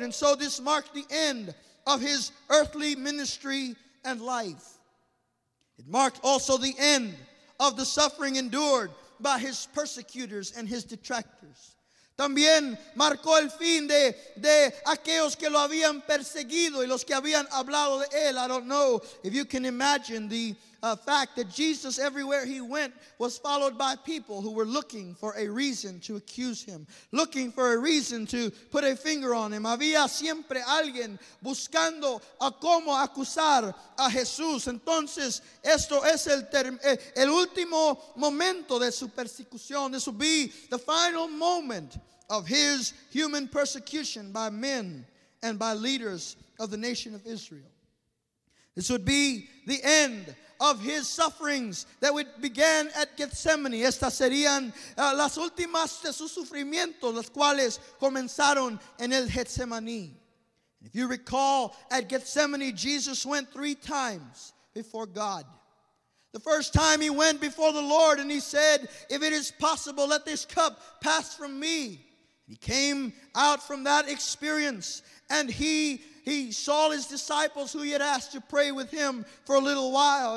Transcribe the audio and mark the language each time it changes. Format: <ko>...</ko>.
<en>And so this marked the end of his earthly ministry and life. It marked also the end of the suffering endured by his persecutors and his detractors.</en> <es>También marcó el fin de aquellos que lo habían perseguido y los que habían hablado de él.</es> <en>I don't know if you can imagine the fact that Jesus, everywhere he went, was followed by people who were looking for a reason to accuse him, looking for a reason to put a finger on him.</en> <es>Había siempre alguien buscando a cómo acusar a Jesús. Entonces, esto es el último momento de su persecución.</es> <en>This will be the final moment of his human persecution by men and by leaders of the nation of Israel. This would be the end of his sufferings that would begin at Gethsemane.</en> <es>Estas serían las últimas de sus sufrimientos, las cuales comenzaron en el Getsemaní.</es> <en>If you recall, at Gethsemane, Jesus went 3 times before God. The first time he went before the Lord and he said, "If it is possible, let this cup pass from me." He came out from that experience and he saw his disciples who he had asked to pray with him for a little while.</en>